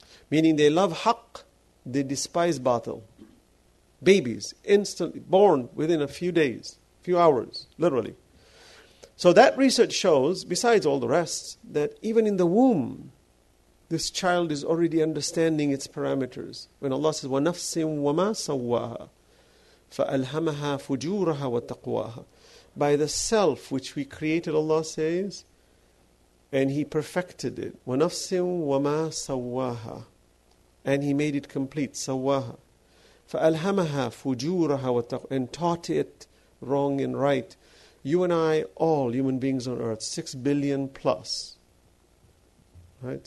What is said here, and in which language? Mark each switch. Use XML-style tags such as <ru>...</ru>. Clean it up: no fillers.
<en>Meaning they love haqq, they despise batil. Babies, instantly born within a few days, few hours, literally. So that research shows, besides all the rest, that even in the womb, this child is already understanding its parameters. When Allah says,</en> <ar>وَنَفْسٍ وَمَا سَوَّاهَا فَأَلْهَمَهَا فُجُورَهَا وَتَقْوَاهَا.</ar> <en>By the self which we created, Allah says, and He perfected it.</en> <ar>وَنَفْسٍ وَمَا سَوَّاهَا.</ar> <en>And He made it complete.</en> <ar>سَوَّاهَا فَأَلْهَمَهَا فُجُورَهَا وَتَقْوَاهَا.</ar> <en>And taught it wrong and right. You and I, all human beings on earth, 6 billion plus, right?</en>